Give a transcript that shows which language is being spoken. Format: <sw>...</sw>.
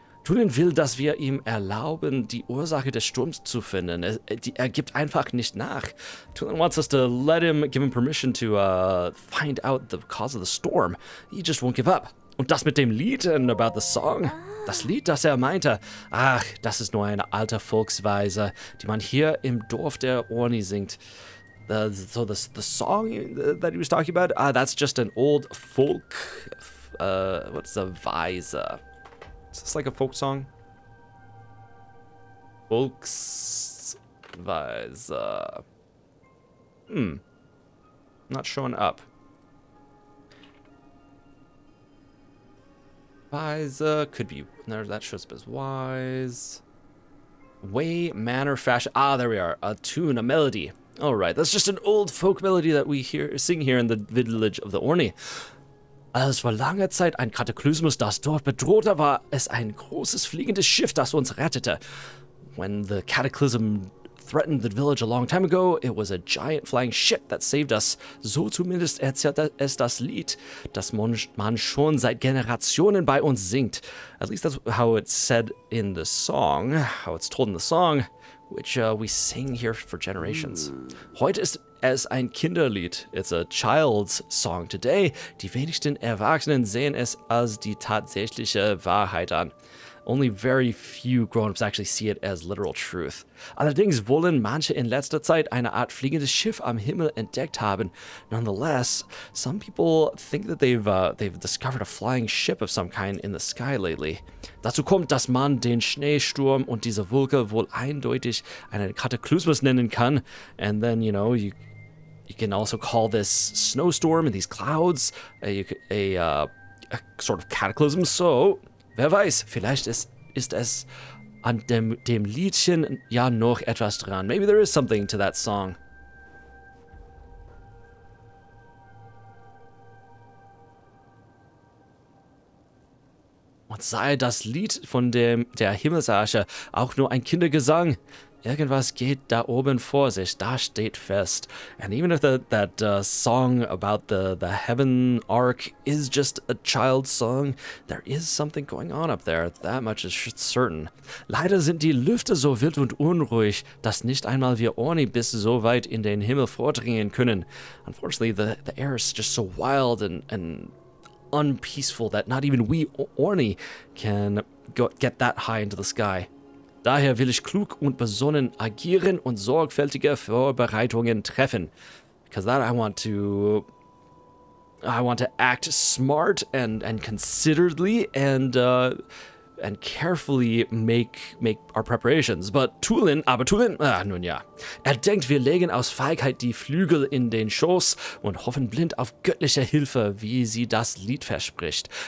<de>Tulin will, dass wir ihm erlauben, die Ursache des Sturms zu finden. Er gibt einfach nicht nach.</de> <en>Tulin wants us to let him, give him permission to find out the cause of the storm. He just won't give up.</en> <de>Und das mit dem Lied</de> <en>and about the song?</en> <de>Das Lied, das meinte. Ach, das ist nur eine alte Volksweise, die man hier im Dorf der Orni singt.</de> <en>So the song that he was talking about, that's just an old folk... what's a Weise? Is this like a folk song?</en> <de>Volksweise.</de> <en>Not showing up. Weise, could be, no, that shows up as wise. Way, manner, fashion, ah, there we are, a tune, a melody. All right, that's just an old folk melody that we sing here in the village of the Orni.</en> <de>Als vor langer Zeit ein Kataklysmus das Dorf bedrohte, war es ein großes fliegendes Schiff, das uns rettete.</de> <en>When the cataclysm threatened the village a long time ago, it was a giant flying ship that saved us.</en> <de>So zumindest erzählt es das Lied, das man schon seit Generationen bei uns singt.</de> <en>At least that's how it's said in the song, how it's told in the song, which we sing here for generations.</en> <de>Heute ist es ein Kinderlied.</de> <en>It's a child's song today.</en> <de>Die wenigsten Erwachsenen sehen es als die tatsächliche Wahrheit an.</de> <en>Only very few grown-ups actually see it as literal truth.</en> <de>Allerdings wollen manche in letzter Zeit eine Art fliegendes Schiff am Himmel entdeckt haben.</de> <en>Nonetheless, some people think that they've discovered a flying ship of some kind in the sky lately.</en> <de>Dazu kommt, dass man den Schneesturm und diese Wolke wohl eindeutig einen Kataklysmus nennen kann.</de> <en>And then, you know, you can also call this snowstorm and these clouds a sort of cataclysm.</en> <de>So, wer weiß, vielleicht ist es an dem Liedchen ja noch etwas dran.</de> <en>Maybe there is something to that song.</en> <de>Und sei das Lied von der Himmelsarche auch nur ein Kindergesang, irgendwas geht da oben vor sich, da steht fest.</de> <en>And even if that song about the heaven arc is just a child's song, there is something going on up there, that much is certain.</en> <de>Leider sind die Lüfte so wild und unruhig, dass nicht einmal wir Orni bis so weit in den Himmel vordringen können.</de> <en>Unfortunately, the air is just so wild and unpeaceful that not even we Orni can get that high into the sky.</en> <de>Daher will ich klug und besonnen agieren und sorgfältige Vorbereitungen treffen.</de> <en>Because that I want to act smart and considerately and carefully make our preparations.</en> <de>But Tulin, er denkt, wir legen aus Feigheit die Flügel in den Schoß und hoffen blind auf göttliche Hilfe, wie sie das Lied verspricht.</de>